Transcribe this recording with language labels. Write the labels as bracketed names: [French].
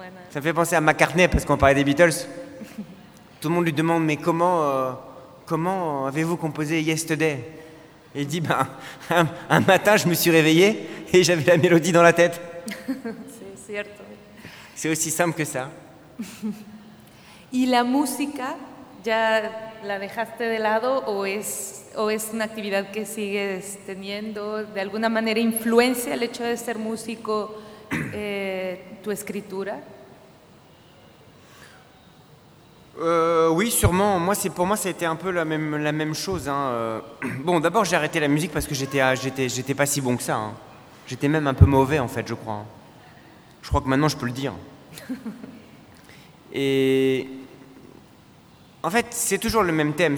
[French] Ça me fait penser à McCartney, parce qu'on parlait des Beatles. Tout le monde lui demande, mais comment avez-vous composé Yesterday ? Et il dit, ben, un matin, je me suis réveillé et j'avais la mélodie dans la tête. C'est certo. C'est aussi simple que ça. Et la musique, [Spanish] ya la dejaste de lado o es una actividad que sigues teniendo? ¿De alguna manera influencia el hecho de ser músico tu escritura? [French] Oui, sûrement. Pour moi, ça a été un peu la même chose. Hein. Bon, d'abord, j'ai arrêté la musique parce que j'étais pas si bon que ça. Hein. J'étais même un peu mauvais, en fait, je crois. Je crois que maintenant, je peux le dire. Et en fait, c'est toujours le même thème.